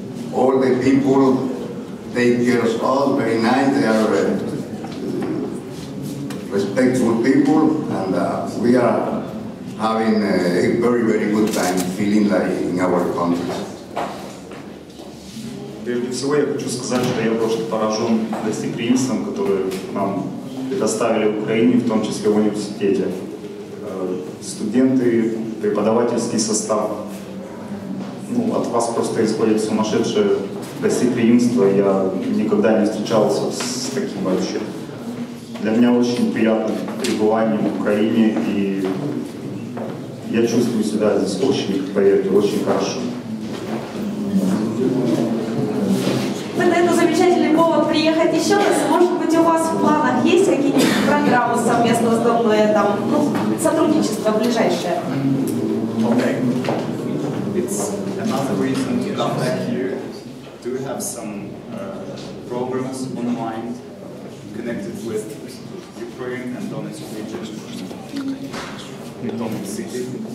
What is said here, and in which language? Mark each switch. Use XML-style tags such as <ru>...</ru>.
<en>All the people take care of us very nice. They are respectful people, and we are having a very, very good time feeling like in our country.</en> <ru>Прежде всего, я хочу сказать, что я просто поражен гостеприимством, которое нам предоставили в Украине, в том числе в университете. Студенты, преподавательский состав. Ну, от вас просто исходит сумасшедшее гостеприимство. Я никогда не встречался с таким вообще. Для меня очень приятно пребывание в Украине, и я чувствую себя здесь очень, поверьте, очень хорошо. Это замечательный повод приехать еще раз. Может быть, у вас в планах есть какие-нибудь программы совместно с домом, сотрудничество ближайшее?</ru> <en>Another reason to come back here, do you have some programs online connected with Ukraine and Donetsk region in Donetsk city?</en>